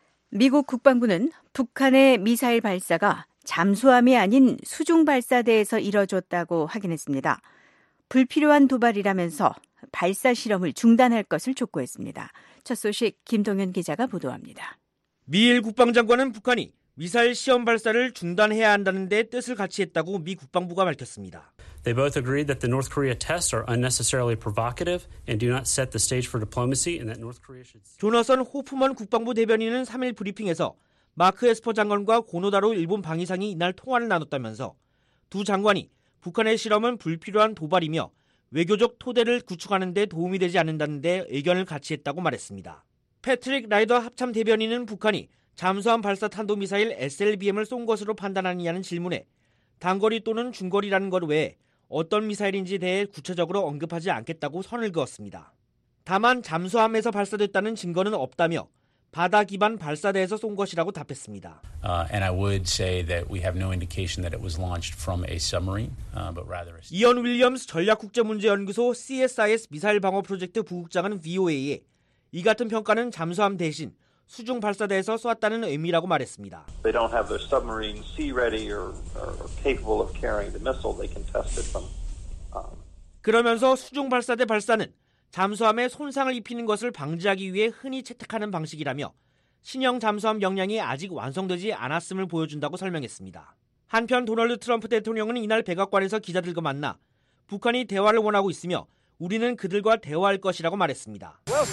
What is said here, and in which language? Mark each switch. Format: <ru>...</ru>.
<ko>미국 국방부는 북한의 미사일 발사가 잠수함이 아닌 수중 발사대에서 이뤄졌다고 확인했습니다. 불필요한 도발이라면서 발사 실험을 중단할 것을 촉구했습니다. 첫 소식 김동현 기자가 보도합니다. 미일 국방장관은 북한이 미사일 시험 발사를 중단해야 한다는 데 뜻을 같이 했다고 미 국방부가 밝혔습니다.</ko> <en>They both agreed that the North Korea tests are unnecessarily provocative and do not set the stage for diplomacy and that North Korea should.</en> <ko>조너선 호프먼 국방부 대변인은 3일 브리핑에서 마크 에스퍼 장관과 고노다로 일본 방위상이 이날 통화를 나눴다면서 두 장관이 북한의 실험은 불필요한 도발이며 외교적 토대를 구축하는 데 도움이 되지 않는다는 데 의견을 같이 했다고 말했습니다. 패트릭 라이더 합참 대변인은 북한이 잠수함 발사 탄도미사일 SLBM을 쏜 것으로 판단하느냐는 질문에 단거리 또는 중거리라는 것 외에 어떤 미사일인지 대해 구체적으로 언급하지 않겠다고 선을 그었습니다. 다만 잠수함에서 발사됐다는 증거는 없다며 바다 기반 발사대에서 쏜 것이라고 답했습니다.</ko> <en>And I would say that we have no indication that it was launched from a submarine, but rather.</en> <ko>이언 윌리엄스 전략국제문제연구소 CSIS 미사일 방어 프로젝트 부국장은 VOA에 이 같은 평가는 잠수함 대신 수중 발사대에서 쐈다는 의미라고 말했습니다.</ko> <en>They don't have their submarine sea ready or capable of carrying the missile. They can test it from.</en> <ko>그러면서 수중 발사대 발사는 잠수함에 손상을 입히는 것을 방지하기 위해 흔히 채택하는 방식이라며 신형 잠수함 역량이 아직 완성되지 않았음을 보여준다고 설명했습니다. 한편 도널드 트럼프 대통령은 이날 백악관에서 기자들과 만나 북한이 대화를 원하고 있으며 우리는 그들과 대화할 것이라고 말했습니다.</ko>